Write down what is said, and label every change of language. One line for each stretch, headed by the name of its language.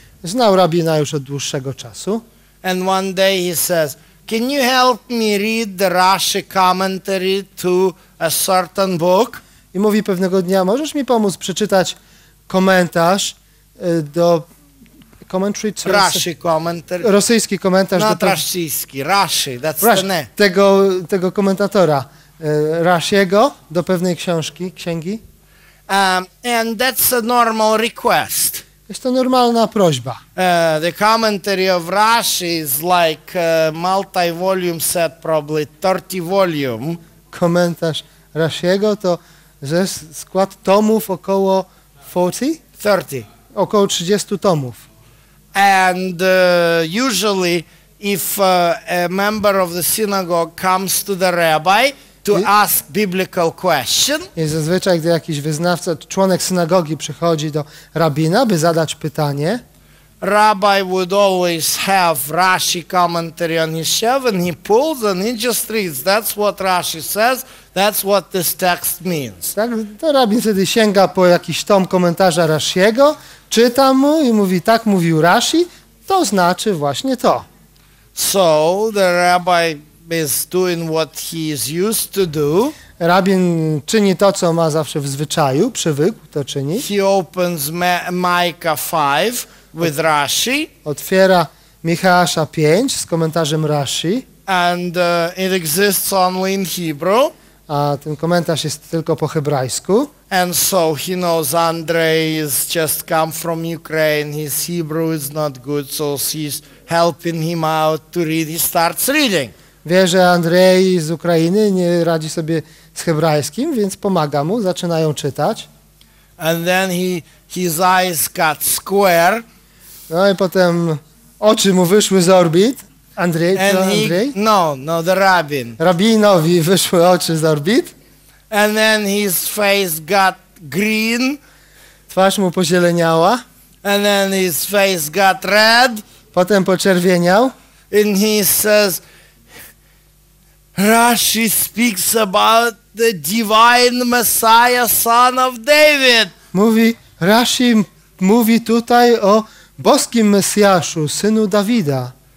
Polish: Znał rabina już od dłuższego czasu.
English: And one day he says, can you help me read the Rashi commentary to a certain book?
Polish: I mówi pewnego dnia, możesz mi pomóc przeczytać komentarz do
English: commentary to Rashi commentary.
Polish: Rosyjski komentarz.
English: Not rosyjski, Rashi, that's Rashi, the name.
Polish: Tego komentatora, Rashiego, do pewnej księgi.
English: And that's a normal request.
Polish: Jest to normalna prośba.
English: The commentary of Rashi is like multi-volume set, probably 30 volume.
Polish: Komentarz Rashiego to że skład tomów około 30. Około 30 tomów.
English: And usually if a member of the synagogue comes to the rabbi to ask biblical question.
Polish: I zazwyczaj, gdy jakiś wyznawca, członek synagogi przychodzi do rabina, by zadać pytanie,
English: rabbi would always have Rashi commentary on his shelf and he pulls and he just reads. That's what Rashi says, that's what this text means.
Polish: Tak, to rabin wtedy sięga po jakiś tom komentarza Rashiego, czyta mu i mówi, tak mówił Rashi, to znaczy właśnie to.
English: So the rabbi is doing what he is used to do.
Polish: Rabin czyni to, co ma zawsze w zwyczaju, przywykł to czynić.
English: He opens Micah 5 with Rashi.
Polish: Otwiera Michała 5 z komentarzem Rashi.
English: And it exists only in Hebrew.
Polish: A ten komentarz jest tylko po hebrajsku.
English: And so he knows Andrei is just come from Ukraine. His Hebrew is not good, so he's helping him out to read. He starts reading.
Polish: Wie, że Andrei z Ukrainy nie radzi sobie z hebrajskim, więc pomaga mu, zaczynają czytać.
English: And then his eyes got square.
Polish: No i potem oczy mu wyszły z orbit.
English: Andrei? No, the rabbin.
Polish: Rabinowi wyszły oczy z orbit.
English: And then his face got green.
Polish: Twarz mu pozieleniała.
English: And then his face got red.
Polish: Potem poczerwieniał.
English: And he says, Rashi speaks about the divine Messiah, son of David.
Polish: Mówi, Rashi mówi tutaj o boskim Mesjaszu, synu Dawida.